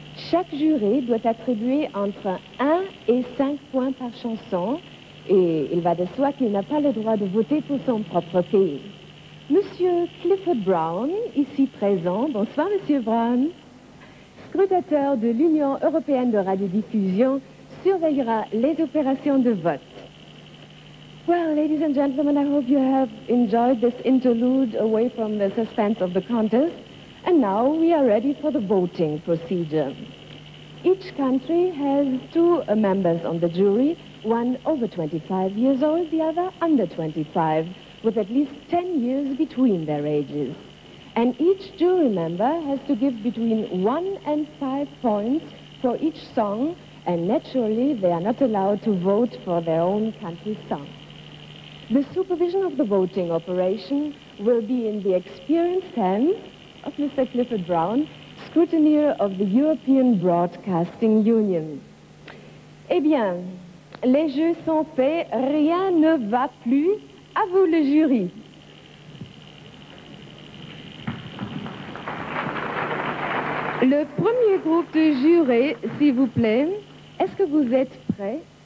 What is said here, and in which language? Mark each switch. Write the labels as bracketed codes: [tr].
[fr] Chaque juré doit attribuer entre 1 et 5 points par chanson, et il va de soi qu'il n'a pas le droit de voter pour son propre pays. Monsieur Clifford Brown, ici présent. Bonsoir, Monsieur Brown. Scrutateur de l'Union européenne de radiodiffusion surveillera les opérations de vote. [en] Well, ladies and gentlemen, I hope you have enjoyed this interlude away from the suspense of the contest. And now we are ready for the voting procedure. Each country has two members on the jury, one over 25 years old, the other under 25, with at least 10 years between their ages. And each jury member has to give between 1 and 5 points for each song, and naturally they are not allowed to vote for their own country's song. The supervision of the voting operation will be in the experienced hands of Mr. Clifford Brown, scrutineer of the European Broadcasting Union. [fr] Eh bien, les jeux sont faits, rien ne va plus. À vous le jury. Le premier groupe de jurés, s'il vous plaît. Est-ce que vous êtes prêts?